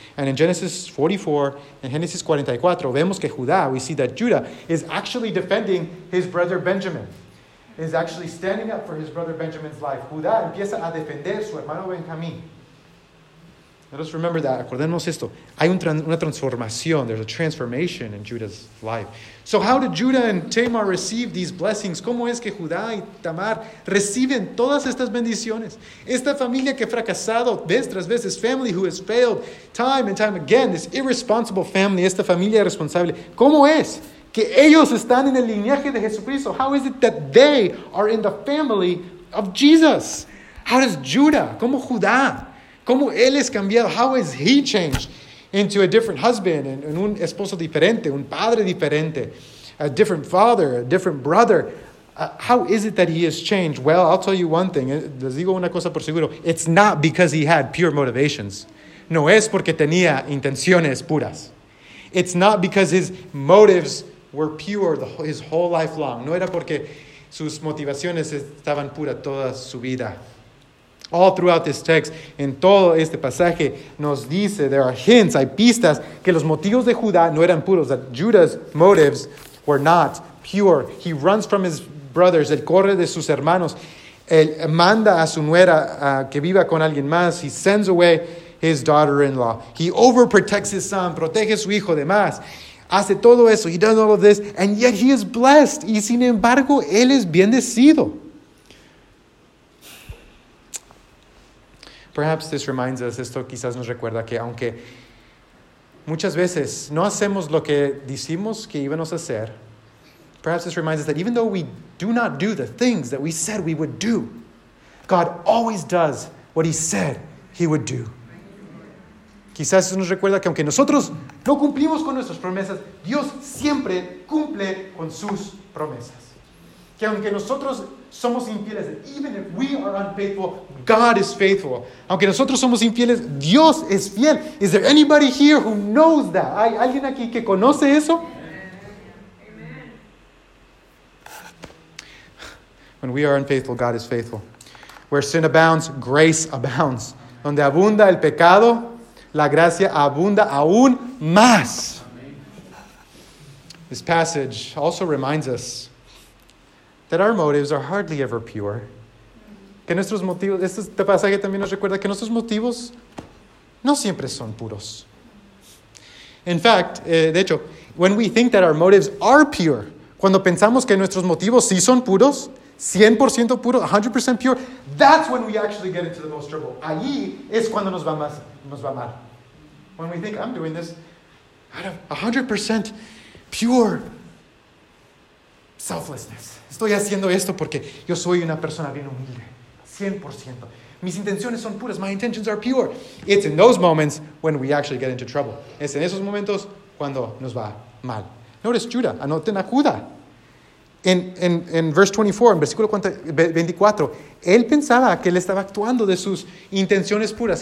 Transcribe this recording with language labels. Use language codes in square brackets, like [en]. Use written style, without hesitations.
[en] And in Genesis 44, in Genesis 44, [es] vemos que Judá, [en] we see that Judah is actually defending his brother Benjamin. Is actually standing up for his brother Benjamin's life. [es] Judá empieza a defender su hermano Benjamín. [en] Let us remember that. [es] Acordemos esto. Hay una transformación. [en] There's a transformation in Judah's life. So how did Judah and Tamar receive these blessings? [es] ¿Cómo es que Judá y Tamar reciben todas estas bendiciones? Esta familia que ha fracasado vez tras vez, [en] this family who has failed time and time again, this irresponsible family, [es] esta familia irresponsable. ¿Cómo es que ellos están en el linaje de Jesucristo? [en] How is it that they are in the family of Jesus? How does Judah, [es] como Judá, como él es cambiado? [en] How has he changed into a different husband, and [es] un esposo diferente, un padre diferente, [en] a different father, a different brother? How is it that he has changed? Well, I'll tell you one thing. [es] Les digo una cosa por seguro. [en] It's not because he had pure motivations. [es] No es porque tenía intenciones puras. [en] It's not because his motives were pure his whole life long. [es] No era porque sus motivaciones estaban puras toda su vida. [en] All throughout this text, [es] en todo este pasaje, nos dice, [en] there are hints, [es] hay pistas, que los motivos de Judá no eran puros, [en] that Judah's motives were not pure. He runs from his brothers, [es] él corre de sus hermanos, él manda a su nuera que viva con alguien más, [en] he sends away his daughter-in-law. He overprotects his son, [es] protege su hijo de más. Hace todo eso, [en] he does all of this, and yet he is blessed. [es] Y sin embargo, él es bendecido. [en] Perhaps this reminds us, [es] esto quizás nos recuerda que aunque muchas veces no hacemos lo que decimos que íbamos a hacer, [en] perhaps this reminds us that even though we do not do the things that we said we would do, God always does what he said he would do. [es] Quizás eso nos recuerda que aunque nosotros no cumplimos con nuestras promesas, Dios siempre cumple con sus promesas. Que aunque nosotros somos infieles, [en] even if we are unfaithful, God is faithful. [es] Aunque nosotros somos infieles, Dios es fiel. [en] Is there anybody here who knows that? [es] ¿Hay alguien aquí que conoce eso? [en] Amen. When we are unfaithful, God is faithful. Where sin abounds, grace abounds. [es] Donde abunda el pecado, la gracia abunda aún más. [en] This passage also reminds us that our motives are hardly ever pure. [es] Que nuestros motivos, este pasaje también nos recuerda que nuestros motivos no siempre son puros. [en] In fact, [es] de hecho, [en] when we think that our motives are pure, [es] cuando pensamos que nuestros motivos sí son puros, 100% puro, [en] 100% pure, that's when we actually get into the most trouble. [es] Allí es cuando nos va mal. [en] When we think, I'm doing this out of 100% pure selflessness. [es] Estoy haciendo esto porque yo soy una persona bien humilde. 100%. Mis intenciones son puras. [en] My intentions are pure. It's in those moments when we actually get into trouble. [es] Es en esos momentos cuando nos va mal. [en] Notice Judah. [es] Anoten a Judah. [en] In verse 24, [es] en versículo 24, él pensaba que él estaba actuando de sus intenciones puras.